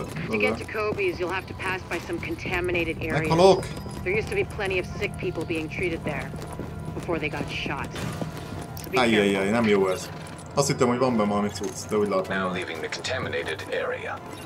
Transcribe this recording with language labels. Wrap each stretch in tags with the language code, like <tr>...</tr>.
<en>To get to Kobe's, you'll have to pass by some contaminated area.</en> <hu>Meghalok!</hu> <en>There used to be plenty of sick people being treated there before they got shot.</en> <hu>Ajjajjaj, nem jó ez. Azt hittem, hogy van benne valami cucc, de úgy látom.</hu> <en>Now leaving the contaminated area.</en>